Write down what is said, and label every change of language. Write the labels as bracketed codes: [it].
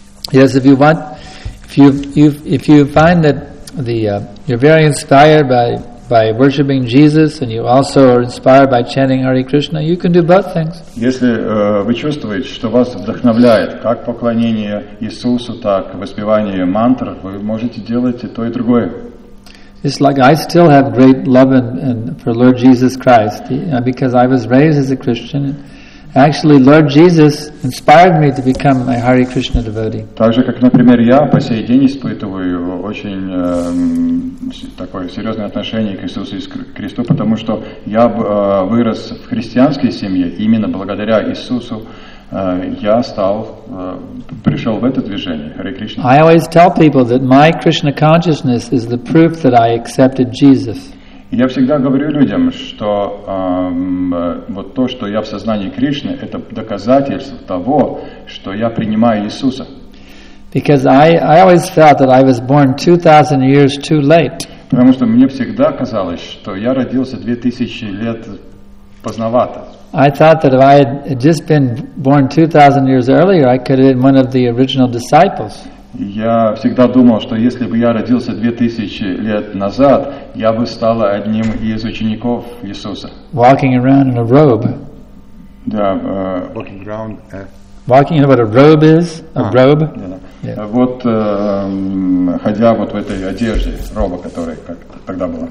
[en] Yes, if you want, if you find that you're very inspired by worshiping Jesus and you also are inspired by chanting Hare Krishna, you can do both things. [ru] Если вы чувствуете, что вас вдохновляет как поклонение Иисусу, так воспевание мантр, вы можете делать и то и другое. [en] It's like I still have great love and for Lord Jesus Christ because I was raised as a Christian. Actually, Lord Jesus inspired me to become a Hare Krishna devotee. [ru] Так же, как, например, я по сей день испытываю очень такое серьезное отношение к Иисусу Христу, потому что я вырос в христианской семье. Именно благодаря Иисусу я стал пришел в это движение Hare Krishna. [en] I always tell people that my Krishna consciousness is the proof that I accepted Jesus. [ru] Я всегда говорю людям, что вот то, что я в сознании Кришны, это доказательство того, что я принимаю Иисуса. [en] Because I always felt that I was born 2000 years too late. [ru] Потому что мне всегда казалось, что я родился 2000 лет поздновато. [en] I thought that if I had just been born 2000 years earlier, I could have been one of the original disciples. [ru] Я всегда думал, что если бы я родился 2000 лет назад, я бы стал одним из учеников Иисуса. [en] Walking around in a robe. [ru] Да, [en] walking around. Walking, you know what a robe is? A robe. Yeah. Yeah. [ru] Вот ходя вот в этой одежде, роба, которая как тогда была.